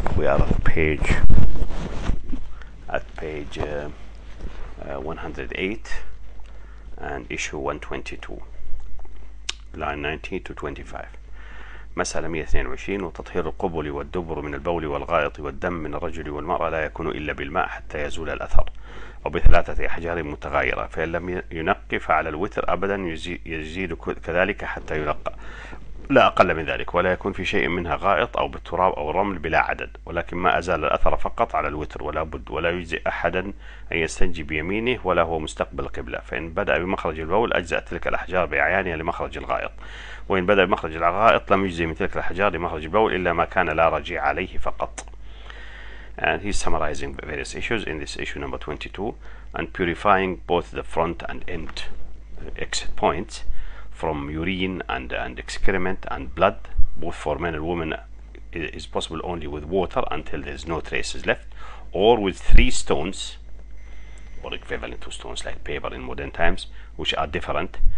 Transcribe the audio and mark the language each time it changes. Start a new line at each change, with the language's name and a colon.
English: We are at page 108 and issue 122, line 19-25.
Arabic: مسألة 122, وتطهير القبل والدبر من البول والغائط والدم من الرجل والمرأة لا يكون إلا بالماء حتى يزول الأثر وبثلاثة أحجار متغايرة, فإن لم ينقي فعلى الوتر أبدا يزيد كذلك حتى ينقى لا أقل من ذلك, ولا يكون في شيء منها غائط أو بالتراب أو الرمل بلا عدد, ولكن ما أزال الأثر فقط على الوتر, ولا بد ولا يجزئ أحدا أن يستنجي بيمينه ولا هو مستقبل القبلة. فإن بدأ بمخرج البول أجزأ تلك الأحجار بأعيانها لمخرج الغائط, وإن بدأ بمخرج الغائط لم يجزئ من تلك الأحجار لمخرج البول إلا ما كان لا رجيع عليه فقط.
English: And he's summarizing various issues in this issue number 22 and purifying both the front and end exit points from urine and excrement and blood, both for men and women, is possible only with water until there's no traces left, or with three stones, or equivalent to stones like paper in modern times, which are different.